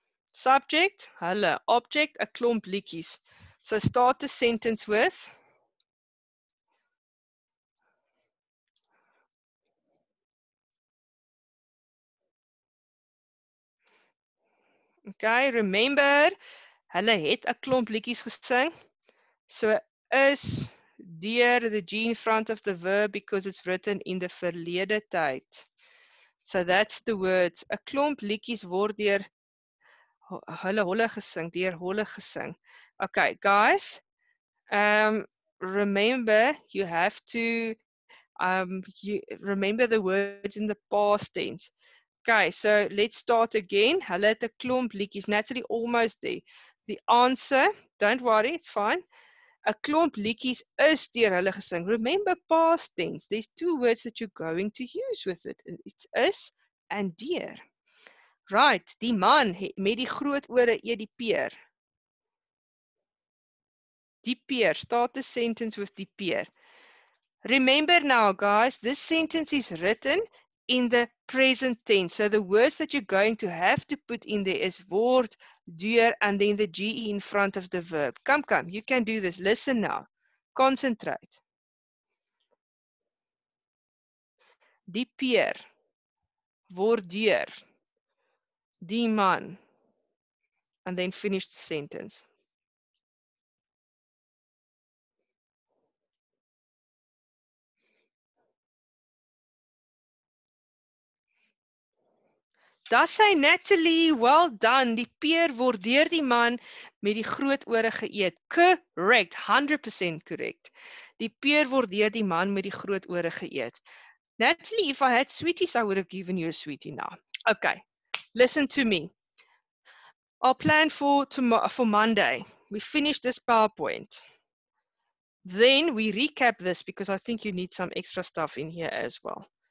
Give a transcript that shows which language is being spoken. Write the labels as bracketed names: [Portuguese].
[English] Subject, hulle. Object, [Afrikaans] 'n klomp liedjies. [English] So start the sentence with. Okay, remember, [Afrikaans] hulle het 'n klomp liedjies gesing. [English] So is deur the G in front of the verb because it's written in the verlede tyd. So that's the words. [Afrikaans] 'N klomp liedjies word deur hulle gesing. [English] Okay, guys. Remember, you have to remember the words in the past tense. Okay, so let's start again. [Afrikaans] Hulle het 'n klomp liedjies. [English] Natalie, almost there. The answer, don't worry, it's fine. [Afrikaans] 'N klomp liedjies is deur hulle gesing. [English] Remember past tense. There's two words that you're going to use with it. It's is and deur. [Afrikaans] Right, die man met die groot ore eet die peer. Die peer, [English] start the sentence with die peer. Remember now, guys, this sentence is written in the present tense. So the words that you're going to have to put in there is word, deur, and then the GE in front of the verb. Come, come, you can do this. Listen now. Concentrate. [Afrikaans] Die peer. Word deur. Die man. [English] And then finish the sentence. Das sy Natalie, well done. [Afrikaans] Die peer word deur die man met die groot ore geëet. [English] Correct, 100% correct. [Afrikaans] Die peer word deur die man met die groot ore geëet. [English] Natalie, if I had sweeties, I would have given you a sweetie now. Okay, listen to me. Our plan for Monday. We finish this PowerPoint. Then we recap this because I think you need some extra stuff in here as well.